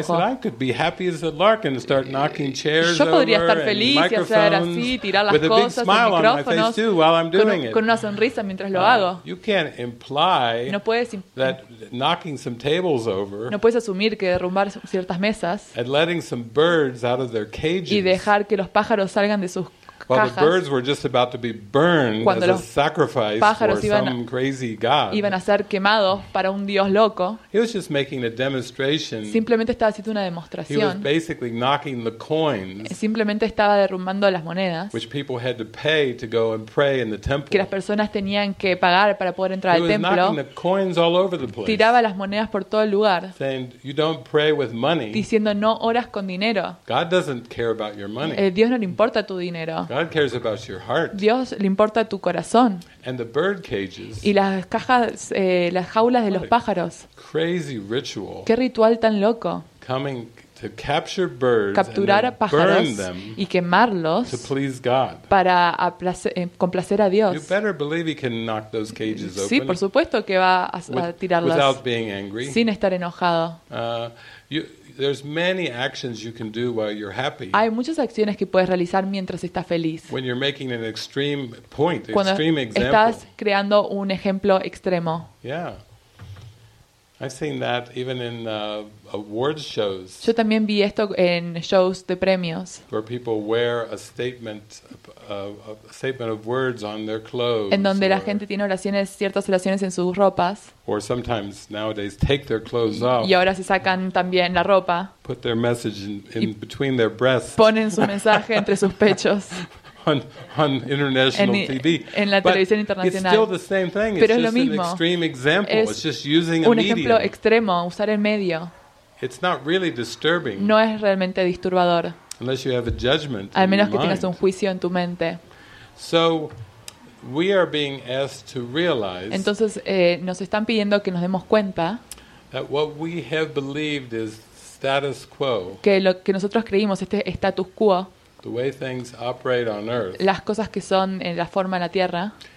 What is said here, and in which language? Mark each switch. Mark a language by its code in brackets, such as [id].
[en] I said, "I could be happy as a lark and start knocking chairs over." [es] Yo podría estar feliz y hacer así, tirar las cosas, [en] a big smile on my face too while I'm doing it. [es] Con una sonrisa mientras lo hago. [en] You can't imply [es] no puedes [en] that knocking some tables over. [es] No puedes asumir que derrumbar ciertas mesas. [en] And letting some birds out of their cages. [es] Y dejar que los pájaros salgan de sus cajas. [en] While the birds were just about to be burned [es] cuando [en] as a sacrifice for some crazy god. [es] Iban a ser quemados para un dios loco. [en] He was just making a demonstration. [es] Simplemente estaba haciendo una demostración. [en] He was basically knocking the coins. [es] Simplemente estaba derrumbando las monedas. [en] Which people had to pay to go and pray in the temple. [es] Que las personas tenían que pagar para poder entrar [en] he [es] al templo. [en] Knocking the coins all over the place. [es] Tiraba las monedas por todo el lugar. [en] Saying, "You don't pray with money." [es] Diciendo, no oras con dinero. [en] God doesn't care about your money. [es] El dios no le importa tu dinero. [en] God cares about your heart. [es] Dios le importa tu corazón. [en] And the bird cages. [es] Y las cajas, las jaulas de [en] what [es] los pájaros. [en] Crazy ritual. [es] Qué ritual tan loco. [en] Coming to capture birds. [es] Capturar [en] and [es] a pájaros [en] burn them [es] y quemarlos. [en] To please God. [es] Para complacer a Dios. [en] You better believe he can knock those cages open. [es] Sí, por supuesto que va a tirarlas. [en] Without being angry. [es] Sin estar enojado. [en] There's many actions you can do while you're happy. [es] Hay muchas acciones que puedes realizar mientras estás feliz. [en] When you're making an extreme point, [es] cuando [en] extreme example. [es] Estás creando un ejemplo extremo. [en] Yeah. I've seen that even in awards shows. [es] Yo también vi esto en shows de premios. [en] Where people wear a statement of words on their clothes. [es] En donde la gente tiene oraciones, ciertas oraciones en sus ropas. [en] Or sometimes nowadays take their clothes off. [es] Y ahora se sacan también la ropa. [en] Put their message in between their breasts. [es] Ponen su mensaje entre sus pechos. [en] On international TV. [es] En la televisión internacional. [en] It's still the same thing. [es] Pero [en] it's [es] es lo mismo. [en] An extreme example. It's just using [es] un ejemplo [en] medium. [es] Extremo, usar el medio. [en] It's not really disturbing. [es] No es realmente disturbador. [en] Unless you have a judgment [es] al menos [en] in [es] que [en] mind. [es] Tengas un juicio en tu mente. [en] So, we are being asked to realize [es] entonces, nos están pidiendo que nos demos cuenta [en] that what we have believed is status quo. [es] Que lo que nosotros creímos este status quo. [en] The way things operate on earth. [es] Las cosas que son en la forma en la tierra.